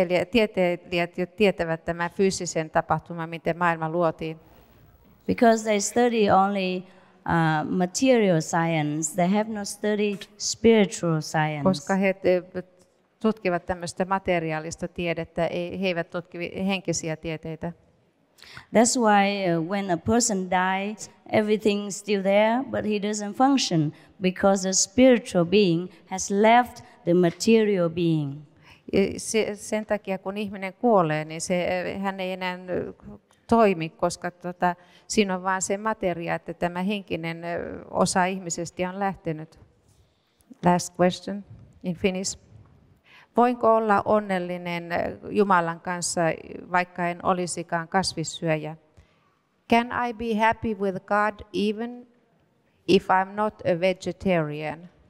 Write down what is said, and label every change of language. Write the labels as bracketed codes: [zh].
[fi] Tieteilijät jo tietävät tämän fyysisen tapahtuman, miten maailma luotiin. [en] Because they study only material science, they have not studied spiritual science. [fi] Koska he tutkivat tämmöistä materiaalista tiedettä, he eivät tutki henkisiä tieteitä. [en] That's why when a person dies, everything is still there, but he doesn't function because the spiritual being has left the material being. [fi] Sen takia, kun ihminen kuolee, niin se, hän ei enää toimi, koska siinä on vain se materia, että tämä henkinen osa ihmisestä on lähtenyt. [en] Last question in Finnish. [fi] Voinko olla onnellinen Jumalan kanssa, vaikka en olisikaan kasvissyöjä? [en] Can I be happy with God even if I'm not a vegetarian?